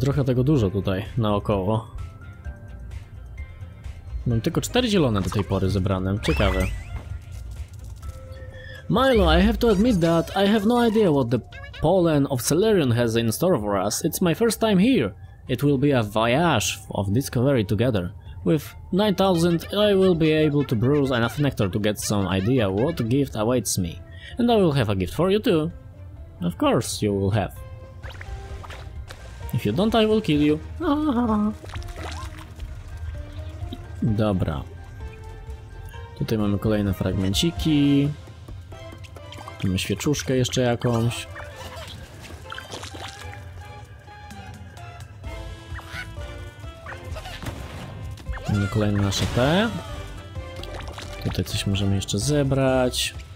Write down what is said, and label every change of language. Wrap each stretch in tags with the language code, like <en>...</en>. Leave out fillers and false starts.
<pl>Trochę tego dużo tutaj naokoło. Mam tylko 4 zielone do tej pory zebrane. Ciekawe.</pl> <en>Milo, I have to admit that I have no idea what the pollen of Celerion has in store for us. It's my first time here. It will be a voyage of discovery together. With 9000 I will be able to bruise enough nectar to get some idea what gift awaits me. And I will have a gift for you too. Of course you will have. If you don't, I will kill you.</en> <pl>Dobra. Tutaj mamy kolejne fragmenciki. Tu mamy świeczuszkę jeszcze jakąś. Mamy kolejne nasze te. Tutaj coś możemy jeszcze zebrać.</pl>